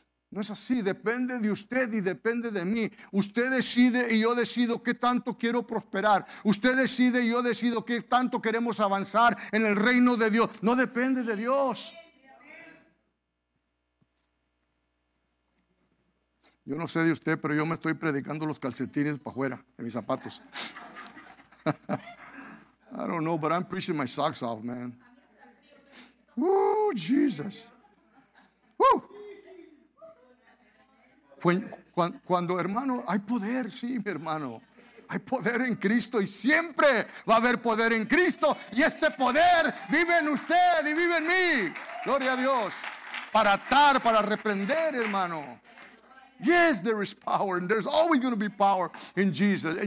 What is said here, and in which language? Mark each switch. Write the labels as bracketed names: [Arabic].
[Spanish] No es así, depende de usted y depende de mí. Usted decide y yo decido qué tanto quiero prosperar. Usted decide y yo decido qué tanto queremos avanzar en el reino de Dios. No depende de Dios. Yo no sé de usted, pero yo me estoy predicando los calcetines para afuera, de mis zapatos. [English] I don't know, but I'm preaching my socks off, man. Oh, Jesus. Woo. [Spanish] Cuando hermano, hay poder, sí, mi hermano. Hay poder en Cristo y siempre va a haber poder en Cristo. Y este poder vive en usted y vive en mí. Gloria a Dios. Para atar, para reprender, hermano. [English] Yes, there is power, and there's always going to be power in Jesus.